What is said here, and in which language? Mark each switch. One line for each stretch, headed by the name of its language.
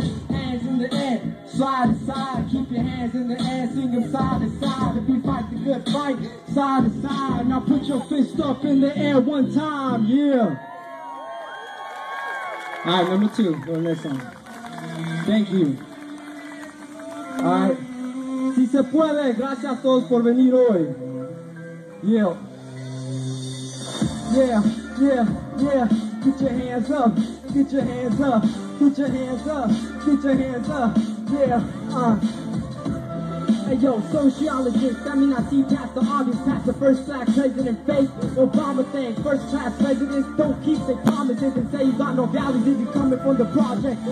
English: Hands in the air, side to side. Keep your hands in the air, swing them side to side. If you fight the good fight, side to side. Now put your fist up in the air one time, yeah. All right, number two, go to the next song. Thank you. All right.
Spanish: Si se puede, gracias a todos por venir hoy.
English: Yeah. Yeah, yeah, yeah. Get your hands up, get your hands up, get your hands up, get your hands up, yeah. Hey yo, sociologist, I mean I see past the obvious, past the first class president, fake Obama thing, first class presidents don't keep their promises and say you got no values if you're coming from the project.